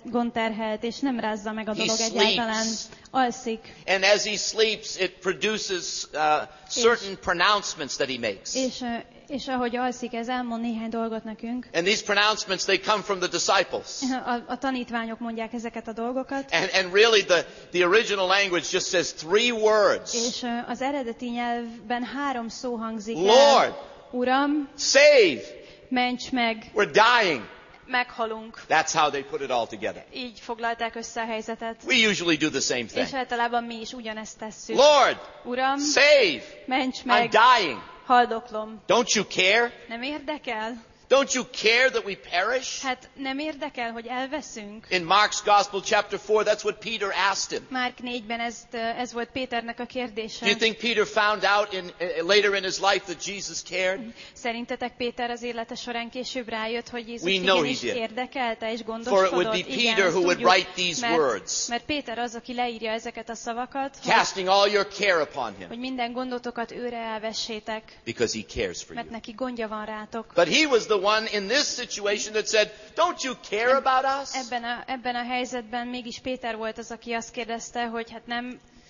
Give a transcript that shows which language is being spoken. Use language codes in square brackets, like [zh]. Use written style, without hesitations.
[hu] Gondterhelt, és nem rázza meg a dolog egyáltalán. Alszik. [en] And as he sleeps, it produces certain pronouncements that he makes. [hu] És ahogy alszik, ez elmond néhány dolgot nekünk. [en] And these pronouncements, they come from the disciples. [hu] A tanítványok mondják ezeket a dolgokat. [en] And really the original language just says three words. [hu] És az eredeti nyelvben három szó hangzik el. [en] Lord, [hu] Uram, [en] save, [hu] ments meg, [en] we're dying. [hu] Meghalunk. [en] That's how they put it all together. [hu] Így foglalták össze a helyzetet. [en] We usually do the same thing. [hu] És általában mi is ugyanezt tesszük. [en] Lord, [hu] Uram, [en] save, [hu] ments meg, [en] I'm dying. [hu] Haldoklom. [en] Don't you care? [hu] Nem érdekel? [en] Don't you care that we perish? [hu] Hát nem érdekel, hogy elveszünk? [en] In Mark's Gospel chapter 4, that's what Peter asked him. [hu] Márk 4-ben ez volt Péternek a kérdése. [en] Do you think Peter found out later in his life that Jesus cared? [hu] Szerintetek Péter az élete során később rájött, hogy Jézus [en] we know he did. [hu] Érdekelte és gondoskodott? [en] For it would be Peter [hu] igen, [en] who would write these words. [hu] Mert Péter az, aki leírja ezeket a szavakat. [en] Casting all your care upon him. [hu] Hogy minden gondotokat őre elvessétek. [en] Because he cares for you. [hu] Mert neki gondja van rátok. [en] But he was the one in this situation that said, don't you care about us? [hu] Ebben a helyzetben mégis Péter volt az, aki azt kérdezte, hogy hát nem.